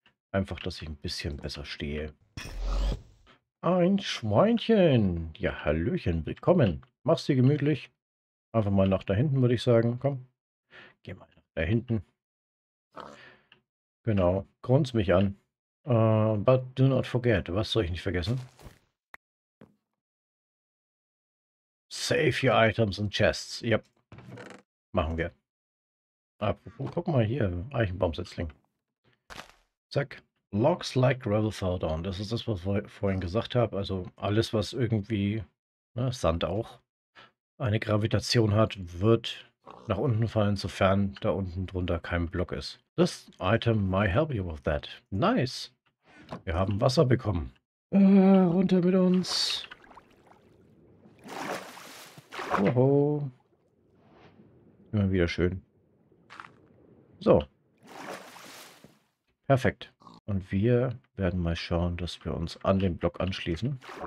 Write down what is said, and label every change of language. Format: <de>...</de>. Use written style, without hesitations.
<de>Einfach, dass ich ein bisschen besser stehe. Ein Schweinchen. Ja, Hallöchen, willkommen. Mach's dir gemütlich. Einfach mal nach da hinten, würde ich sagen. Komm. Geh mal nach da hinten. Genau. Grunz mich an.</de> <en>But do not forget.</en> <de>Was soll ich nicht vergessen?</de> <en>Save your items and chests.</en> <de>Yep. Machen wir. Apropos, guck mal hier. Eichenbaumsetzling. Zack.</de> <en>Logs like gravel fall down.</en> <de>Das ist das, was ich vorhin gesagt habe. Also alles, was irgendwie, ne, Sand auch, eine Gravitation hat, wird nach unten fallen, sofern da unten drunter kein Block ist.</de> <en>This item might help you with that. Nice.</en> <de>Wir haben Wasser bekommen. Runter mit uns. Oho. Immer wieder schön. So. Perfekt. Und wir werden mal schauen, dass wir uns an den Block anschließen.</de>